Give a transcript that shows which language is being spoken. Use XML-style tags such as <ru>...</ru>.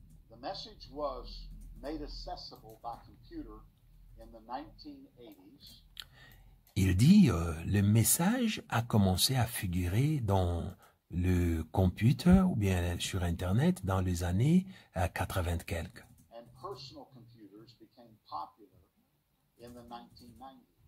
<en>The message was made accessible by computer in the 1980s.</en> <fr>Il dit le message a commencé à figurer dans le computer ou bien sur Internet dans les années 80 quelques.</fr> <en>And personal computers became popular in the 1990s.</en>